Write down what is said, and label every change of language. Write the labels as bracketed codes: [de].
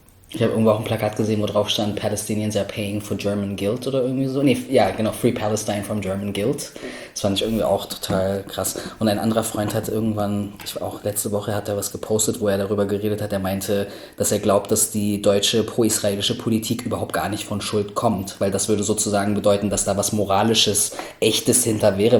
[de] Ich habe irgendwo auch ein Plakat gesehen, wo drauf stand, [en] Palestinians are paying for German guilt [de] oder irgendwie so. [en] Free Palestine from German guilt. [de] Das fand ich irgendwie auch total krass. Und ein anderer Freund hat irgendwann, ich war auch letzte Woche, hat er was gepostet, wo er darüber geredet hat. Er meinte, dass er glaubt, dass die deutsche pro-israelische Politik überhaupt gar nicht von Schuld kommt. Weil das würde sozusagen bedeuten, dass da was Moralisches, Echtes hinter wäre.